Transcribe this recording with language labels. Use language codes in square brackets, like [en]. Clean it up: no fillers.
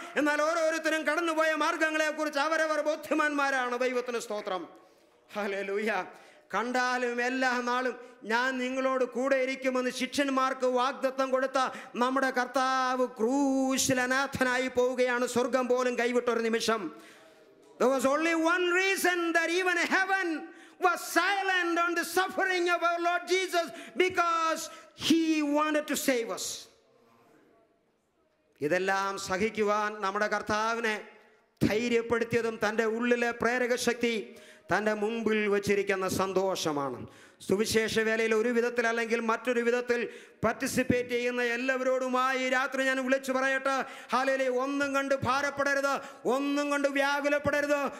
[ml] എന്നാൽ ഓരോരുത്തരും കടന്നുപോയ മാർഗങ്ങളെക്കുറിച്ച് അവരവർ ബോധ്യമാന്മാരാണ്. ദൈവത്തിന് സ്തോത്രം. ഹല്ലേലൂയ. കണ്ടാലും എല്ലാ നാളും ഞാൻ നിങ്ങളോട് കൂടെ ഇരിക്കുമെന്ന് ശിഷ്യന്മാർക്ക് വാഗ്ദത്തം കൊടുത്ത നമ്മുടെ കർത്താവ് ക്രൂശിൽ അനാഥനായി പോവുകയാണ്. സ്വർഗം പോലും കൈവിട്ടൊരു നിമിഷം. [en] There was only one reason that even heaven was silent on the suffering of our Lord Jesus, because he wanted to save us. [ml] ഇതെല്ലാം സഹിക്കുവാൻ നമ്മുടെ കർത്താവിനെ ധൈര്യപ്പെടുത്തിയതും തൻ്റെ ഉള്ളിലെ പ്രേരകശക്തി തൻ്റെ മുമ്പിൽ വച്ചിരിക്കുന്ന സന്തോഷമാണ്. സുവിശേഷ വേലയിൽ ഒരു വിധത്തിൽ അല്ലെങ്കിൽ മറ്റൊരു വിധത്തിൽ പാർട്ടിസിപ്പേറ്റ് ചെയ്യുന്ന എല്ലാവരോടുമായി രാത്രി ഞാൻ വിളിച്ചു പറയട്ടെ, ഹല്ലേലൂയ, ഒന്നും കണ്ട് ഭാരപ്പെടരുത്, ഒന്നും കണ്ട് വ്യാകുലപ്പെടരുത്.